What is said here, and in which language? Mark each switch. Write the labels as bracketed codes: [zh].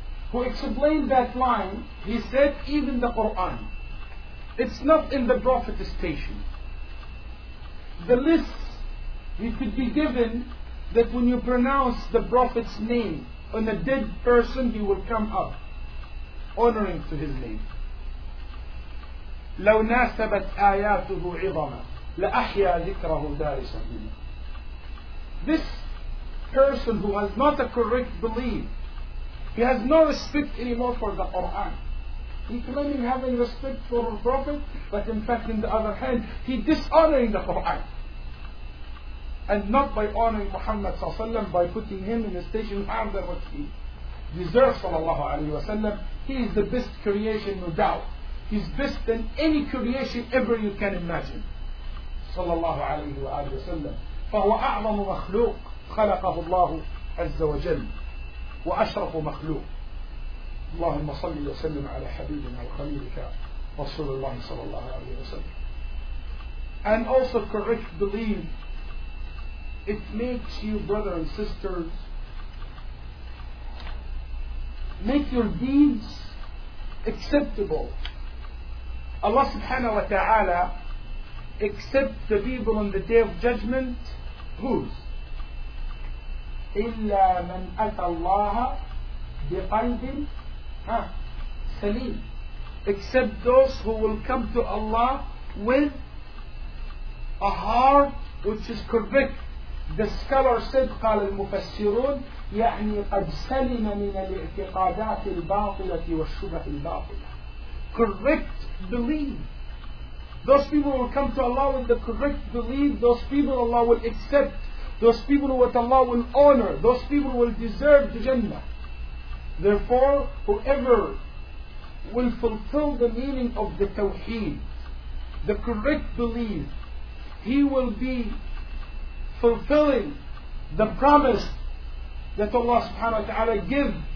[en] who explained that line, he said, even the Quran, it's not in the Prophet's station. The list he could be given, that when you pronounce the Prophet's name on a dead person, he will come up, honoring to his name. [ar] لو ناسبت آياته عظما لأحيا ذكره دار سبيلا. [en] This person who has not a correct belief, he has no respect anymore for the Quran. He claiming having respect for the Prophet, but in fact, in the other hand, he dishonoring the Quran. And not by honoring Muhammad [ar] صلى الله عليه وسلم, [en] by putting him in a station under what he deserves صلى الله عليه وسلم. He is the best creation, no doubt. He's best than any creation ever you can imagine. [ar] صلى الله عليه وسلم. فهو أعظم مخلوق خلقه الله عز وجل وأشرف مخلوق. اللهم صل وسلم على حبيبنا وخليلك رسول الله صلى الله عليه وسلم. [en] And also correct belief, it makes you, brother and sisters, make your deeds acceptable. Allah subhanahu wa ta'ala accept the people on the day of judgment, whose? [ar] إلا من أتى الله بقلب سليم. [en] Except those who will come to Allah with a heart which is correct. The scholar said, [ar] قال المفسرون يعني قد سلم من الاعتقادات الباطلة والشبه الباطلة. [en] Correct belief. Those people will come to Allah with the correct belief. Those people Allah will accept. Those people what Allah will honor. Those people will deserve the Jannah. Therefore, whoever will fulfill the meaning of the Tawheed, the correct belief, he will be fulfilling the promise that Allah subhanahu wa ta'ala give.